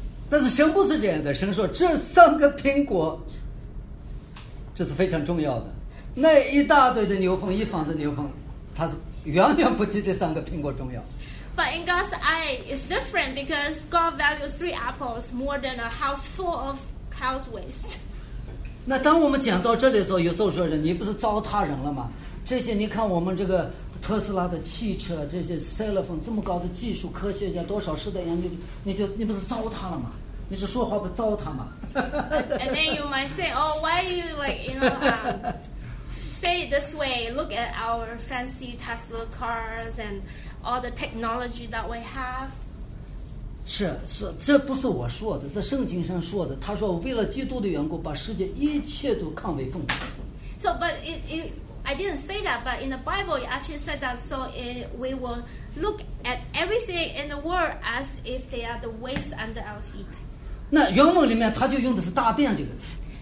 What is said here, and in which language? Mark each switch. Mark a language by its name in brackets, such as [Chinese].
[Chinese] 但是神不是这样的，神说这三个苹果，这是非常重要的。那一大堆的牛粪，一房子牛粪，它是远远不及这三个苹果重要。 [English] But in God's eye, it's different because God values three apples more than a house full of cow's waste. [Chinese] 那当我们讲到这里的时候，有时候说人，你不是糟蹋人了吗？这些你看，我们这个特斯拉的汽车，这些 cell phone 这么高的技术，科学家多少世代研究，你不是糟蹋了吗？你是说话不糟蹋吗 [English] ？And then you might say, oh, why are you like, you know? Say it this way, look at our fancy Tesla cars and all the technology that we have. [Chinese] 是，是，这不是我说的，这圣经上说的。他说，为了基督的缘故，把世界一切都看为粪土。 [English] So, but I didn't say that, but in the Bible, it actually said that, so we will look at everything in the world as if they are the waste under our feet. [Chinese] 那原文里面他就用的是大便这个词。